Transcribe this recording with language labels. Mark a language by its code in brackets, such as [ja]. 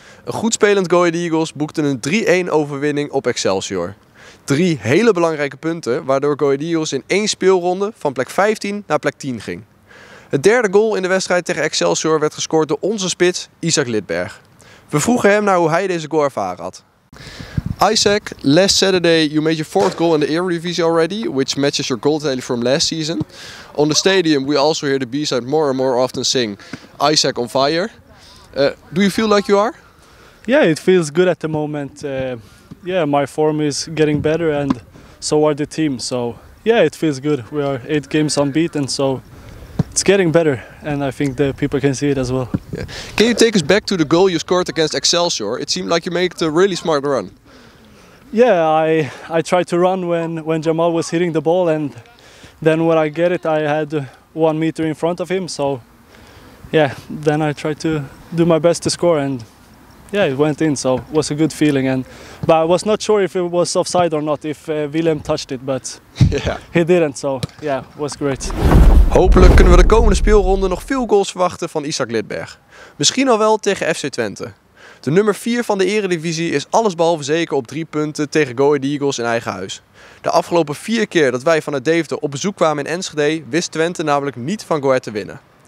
[nl] Een goed spelend Go Ahead Eagles boekte een 3-1 overwinning op Excelsior. 3 hele belangrijke punten waardoor Go Ahead Eagles in 1 speelronde van plek 15 naar plek 10 ging. Het derde goal in de wedstrijd tegen Excelsior werd gescoord door onze spits Isaac Lidberg. We vroegen hem naar hoe hij deze goal ervaren had. [en] Isaac, last Saturday you made your 4th goal in the Eredivisie already, which matches your goal tally from last season. On the stadium we also hear the B-side more and more often sing Isaac on fire. Do you feel like you are? Yeah, it feels good at the moment. Yeah, my form is getting better and so are the team. So yeah, it feels good. We are 8 games unbeaten, so it's getting better. And I think the people can see it as well. Yeah. Can you take us back to the goal you scored against Excelsior? It seemed like you made a really smart run. Yeah, I tried to run when Jamal was hitting the ball, and then when I get it, I had 1 meter in front of him. So yeah, then I tried to do my best to score, and yeah, it went in, so it was a good feeling. But I was not sure if it was offside or not, if Willem touched it, but yeah. He didn't, so yeah, it was great. [nl] Hopelijk kunnen we de komende speelronde nog veel goals verwachten van Isaac Lidberg. Misschien al wel tegen FC Twente. De nummer 4 van de Eredivisie is allesbehalve zeker op 3 punten tegen Go Ahead Eagles in eigen huis. De afgelopen 4 keer dat wij vanuit Deventer op bezoek kwamen in Enschede, wist Twente namelijk niet van Go Ahead te winnen.